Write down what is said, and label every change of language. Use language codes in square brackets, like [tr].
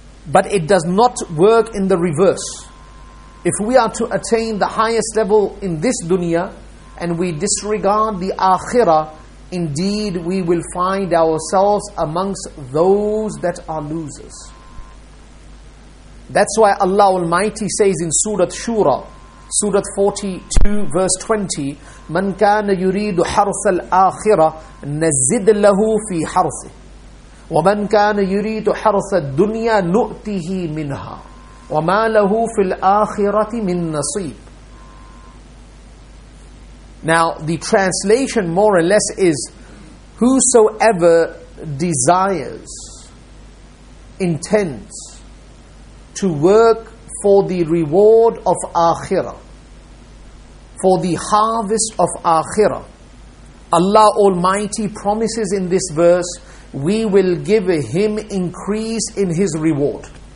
[en] But it does not work in the reverse. If we are to attain the highest level in this dunya and we disregard the akhirah, indeed we will find ourselves amongst those that are losers. That's why Allah Almighty says in Surah Shura, Surah 42 verse 20, [ar] مَنْ كَانَ يُرِيدُ حَرْثَ الْآخِرَةِ نَزِّدْ لَهُ فِي حَرْثِ وَمَنْ كَانَ يُرِيدُ حَرْثَ الدُّنْيَا نُؤْتِهِ مِنْهَا وَمَا لَهُ فِي الْآخِرَةِ مِنْ نَصِيبٍ. [en] Now, the translation more or less is, whosoever desires, intends to work for the reward of Akhirah, for the harvest of Akhirah, Allah Almighty promises in this verse, we will give him increase in his reward.